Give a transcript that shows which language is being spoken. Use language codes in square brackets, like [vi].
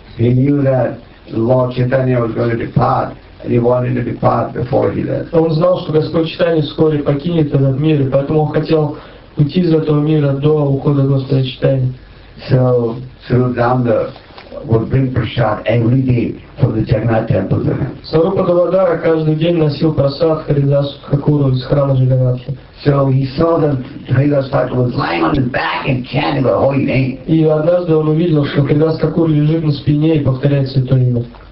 [en] He knew that Lord Chaitanya was going to depart. And he wanted to depart before he left. [ru] Он знал, что Господь Читания вскоре покинет этот мир, и поэтому он хотел уйти из этого мира до ухода Господа Читания. [en] So Sarupadanda would bring prasad every day from the Jagannath temple to him. [ru] Сарупадавадара каждый день носил прасад Харидасу Хакуру из храма Джаганнатха. [en] So he saw that Haridas Thakur was lying on his back and chanting the holy name. [ru] И однажды он увидел, что Харидас Хакур лежит на спине и повторяет святое имя.